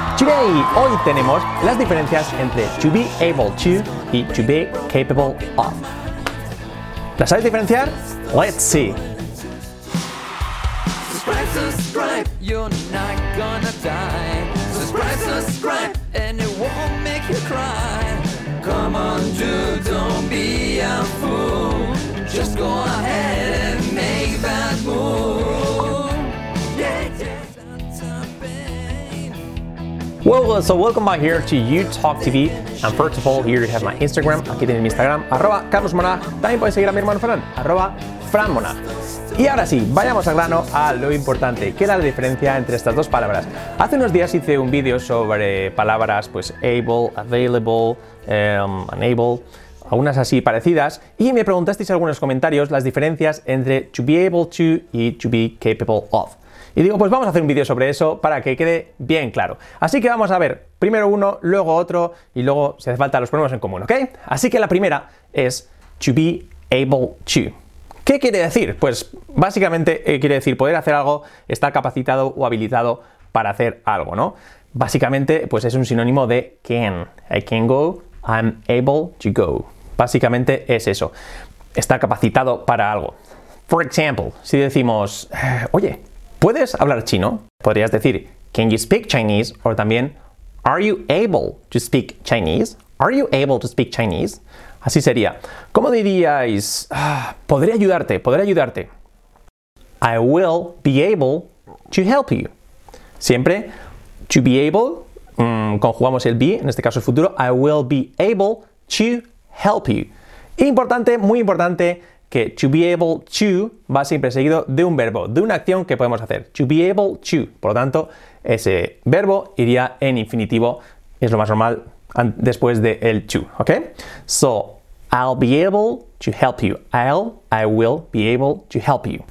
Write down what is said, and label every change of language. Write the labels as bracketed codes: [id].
[en] Today, [es] hoy tenemos las diferencias entre [en] to be able to [es] y [en] to be capable of. [es] ¿Las sabes diferenciar? [en] Let's see. Subscribe, subscribe, you're not gonna die. Subscribe, subscribe, and it won't make you cry. Come on, dude, don't be a fool. Just go ahead and make that move. Yeah, yeah. Well, so welcome back here to You Talk TV. And first of all, here you have my Instagram. [es] Aquí tienes mi Instagram, arroba Carlos Monag. También puedes seguir a mi hermano Fran, arroba Fran Monag. Y ahora sí, vayamos al grano, a lo importante, que es la diferencia entre estas dos palabras. Hace unos días hice un vídeo sobre palabras, pues able, available, unable, algunas así parecidas, y me preguntasteis en algunos comentarios las diferencias entre [en] to be able to [es] y [en] to be capable of. [es] Y digo, pues vamos a hacer un vídeo sobre eso para que quede bien claro. Así que vamos a ver primero uno, luego otro, y luego, si hace falta, los ponemos en común, ¿ok? Así que la primera es [en] to be able to. [es] ¿Qué quiere decir? Pues básicamente quiere decir poder hacer algo, estar capacitado o habilitado para hacer algo, ¿no? Básicamente, pues es un sinónimo de can. [en] I can go, I'm able to go. [es] Básicamente es eso, estar capacitado para algo. [en] For example, [es] si decimos, oye, ¿puedes hablar chino? Podrías decir, [en] can you speak Chinese? [es] O también, [en] are you able to speak Chinese? Are you able to speak Chinese? [es] Así sería. ¿Cómo diríais? Podría ayudarte, podré ayudarte. [en] I will be able to help you. [es] Siempre, [en] to be able, [es] conjugamos el be, en este caso el futuro. [en] I will be able to help you. [es] Importante, muy importante, que [en] to be able to [es] va siempre seguido de un verbo, de una acción que podemos hacer. To be able to. Por lo tanto, ese verbo iría en infinitivo, es lo más normal, después de el [en] to, [es] ¿ok? [en] So, I'll be able to help you. I will be able to help you.